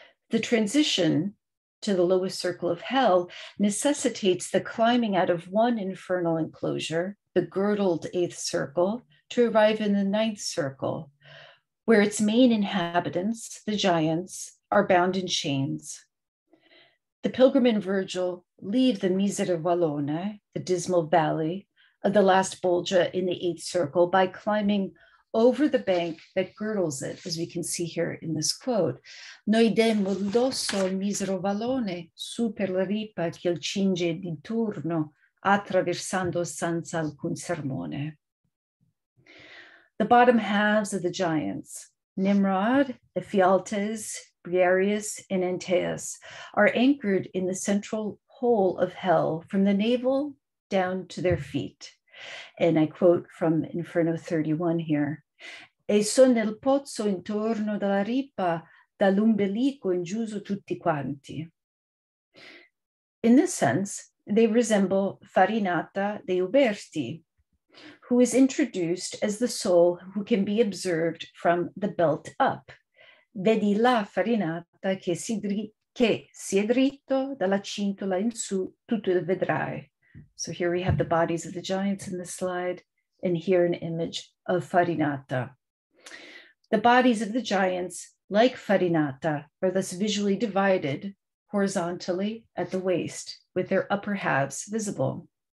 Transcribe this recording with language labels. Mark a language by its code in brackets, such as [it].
[en] The transition to the lowest circle of hell necessitates the climbing out of one infernal enclosure, the girdled eighth circle, to arrive in the ninth circle, where its main inhabitants, the giants, are bound in chains. The pilgrim and Virgil leave the Misere Vallone, the dismal valley of the last bolgia in the eighth circle, by climbing over the bank that girdles it, as we can see here in this quote. [it] Noi demmo l'osso al misero vallone su per la ripa che il cinge di turno attraversando senza alcun sermone. [en] The bottom halves of the giants, Nimrod, Ephialtes, Briareus, and Antaeus, are anchored in the central hole of hell from the navel down to their feet. And I quote from Inferno 31 here. [it] E son nel pozzo intorno della ripa dall'umbilico in giuso tutti quanti. [en] In this sense, they resemble Farinata de Uberti, who is introduced as the soul who can be observed from the belt up. [it] Vedi la farinata che si è dritto dalla cintola in su, tutto il vedrai. [en] So here we have the bodies of the giants in the slide, and here an image of farinata. The bodies of the giants, like farinata, are thus visually divided horizontally at the waist, with their upper halves visible.